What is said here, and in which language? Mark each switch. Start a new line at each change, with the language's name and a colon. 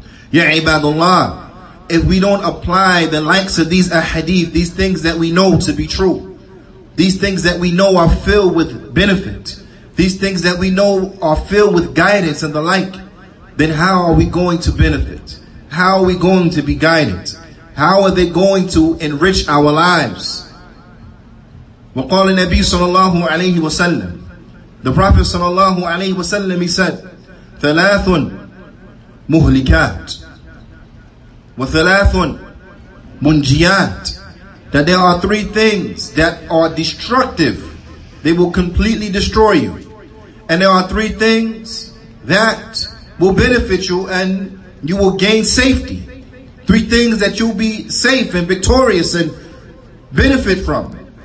English: Ya ibadullah, if we don't apply the likes of these ahadith, these things that we know to be true, these things that we know are filled with benefit, These things that we know are filled with guidance and the like. then how are we going to benefit? How are we going to be guided? How are they going to enrich our lives?
Arabic: وقال النبي صلى الله عليه وسلم.
English: The Prophet
Arabic: صلى الله عليه وسلم,
English: he said,
Arabic: ثلاث مهلكات وثلاث منجيات.
English: That there are three things that are destructive. They will completely destroy you. And there are three things that will benefit you and you will gain safety. Three things that you'll be safe and victorious and benefit from.